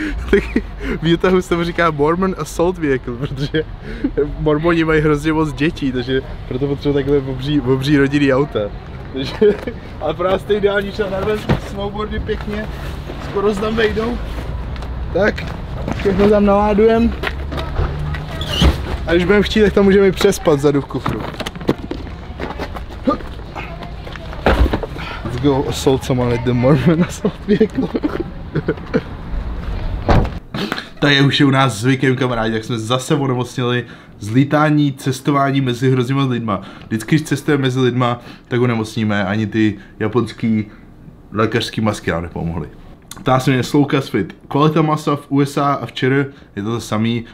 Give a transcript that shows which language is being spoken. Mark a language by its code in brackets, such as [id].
[cs] Tak výtahu se mu říká Mormon Assault Vehicle, protože Mormoni mají hrozně moc dětí, takže proto potřebuje takhle bobří rodinný auta. Takže, ale pro nás to je ideální čas, narvem snowboardy pěkně, skoro se tam vejdou. Tak, všechno tam naládujem. A když budeme chtít, tak tam můžeme i přespat vzadu v kufru. [en] Let's go assault someone with the Mormon Assault Vehicle. [cs] Tady je už u nás zvykem, kamarádi, jak jsme zase onemocněli z lítání, cestování mezi hroznýma lidma. Vždycky, když cestujeme mezi lidma, tak onemocníme, ani ty japonský lékařský masky nám nepomohly. Ta se jmenuje Slow Cast Fit. Kvalita masa v USA a v ČR je to samý.